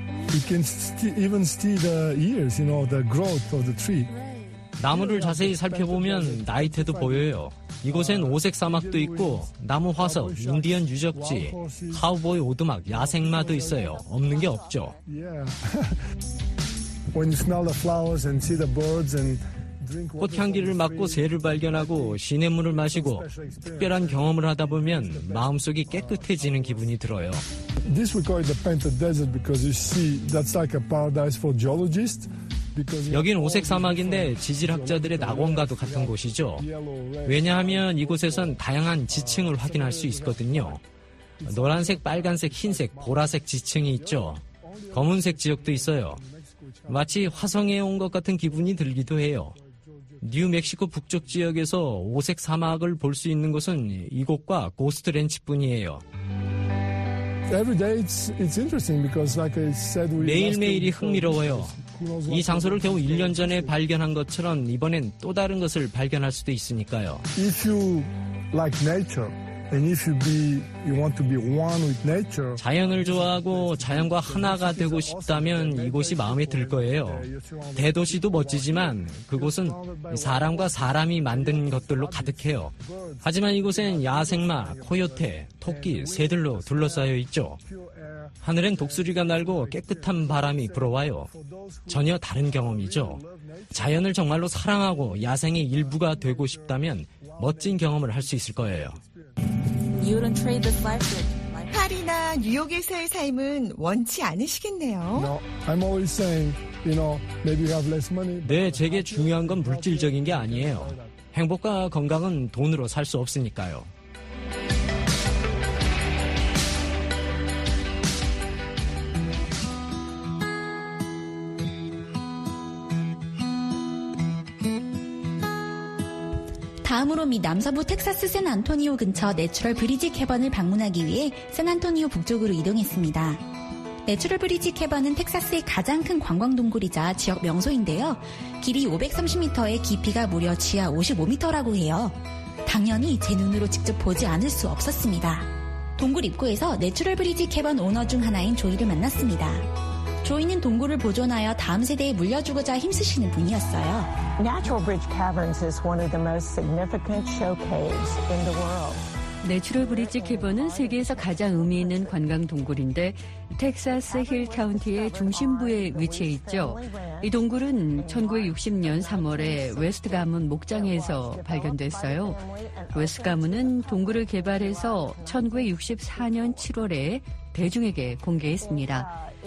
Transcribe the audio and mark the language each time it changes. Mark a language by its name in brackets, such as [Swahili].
[English] You can even see the years, you know, the growth of the tree. [Korean] 나무를 자세히 살펴보면 나이테도 보여요. 이곳엔 오색 사막도 있고 나무 화석, 인디언 유적지, 카우보이 오두막, 야생마도 있어요. 없는 게 없죠. [English] When you smell the flowers and see the birds and [Korean] 꽃향기를 맡고 새를 발견하고 시냇물을 마시고 특별한 경험을 하다 보면 마음속이 깨끗해지는 기분이 들어요. [English] This we call it the Painted Desert because you see that's like a paradise for geologists. [Korean] 여긴 오색 사막인데 지질학자들의 낙원과도 같은 곳이죠. 왜냐하면 이곳에선 다양한 지층을 확인할 수 있거든요. 노란색, 빨간색, 흰색, 보라색 지층이 있죠. 검은색 지역도 있어요. 마치 화성에 온 것 같은 기분이 들기도 해요. 뉴멕시코 북쪽 지역에서 오색 사막을 볼 수 있는 곳은 이곳과 고스트 렌치뿐이에요. [English] every day it's interesting because like I said we [Korean] 매일매일이 흥미로워요. 이 장소를 겨우 1년 전에 발견한 것처럼 이번엔 또 다른 것을 발견할 수도 있으니까요. [English] If you like nature and if you be you want to be one with nature [Korean] 자연을 좋아하고 자연과 하나가 되고 싶다면 이곳이 마음에 들 거예요. 대도시도 멋지지만 그곳은 사람과 사람이 만든 것들로 가득해요. 하지만 이곳엔 야생마, 코요테, 토끼, 새들로 둘러싸여 있죠. 하늘엔 독수리가 날고 깨끗한 바람이 불어와요. 전혀 다른 경험이죠. 자연을 정말로 사랑하고 야생의 일부가 되고 싶다면 멋진 경험을 할 수 있을 거예요. 파리나 뉴욕에서의 삶은 원치 않으시겠네요. [English] I'm always saying, you know, maybe you have less money. [Korean] 네, 제게 중요한 건 물질적인 게 아니에요. 행복과 건강은 돈으로 살 수 없으니까요. 다음으로 미 남서부 텍사스 샌안토니오 근처 내추럴 브리지 캐번을 방문하기 위해 샌안토니오 북쪽으로 이동했습니다. 내추럴 브리지 캐번은 텍사스의 가장 큰 관광 동굴이자 지역 명소인데요. 길이 530m에 깊이가 무려 지하 55m라고 해요. 당연히 제 눈으로 직접 보지 않을 수 없었습니다. 동굴 입구에서 내추럴 브리지 캐번 오너 중 하나인 조이를 만났습니다. 조이는 동굴을 보존하여 다음 세대에 물려주고자 힘쓰시는 분이었어요. [English] Natural Bridge Caverns is one of the most significant showcases in the world. [Korean] 내추럴 브릿지 캐번은 세계에서 가장 의미 있는 관광 동굴인데 텍사스 힐 카운티의 중심부에 위치해 있죠. 이 동굴은 1960년 3월에 웨스트 가문 목장에서 발견됐어요. 웨스트 가문은 동굴을 개발해서 1964년 7월에 대중에게 공개했습니다.